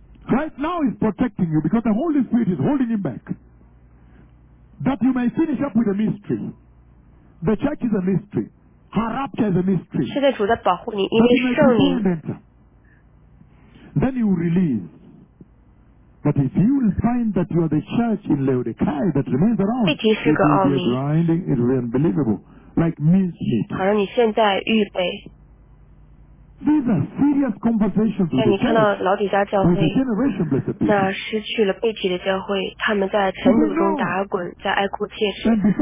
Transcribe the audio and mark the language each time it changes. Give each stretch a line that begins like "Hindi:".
English: Right now he's protecting you because the Holy Spirit is holding him back. That you may finish up with a mystery. The church is a mystery. Her rapture is a mystery.
Chinese: 现在主在保护你，因为圣灵。
English: Then you release. But if you will find that you are the church in Laodicea that remains around, it will be grinding, it will be unbelievable, like mincemeat.
Chinese: 好，让你现在预备。像你看到老底家教会，那失去了背起的教会，他们在尘土中打滚，在哀哭切齿。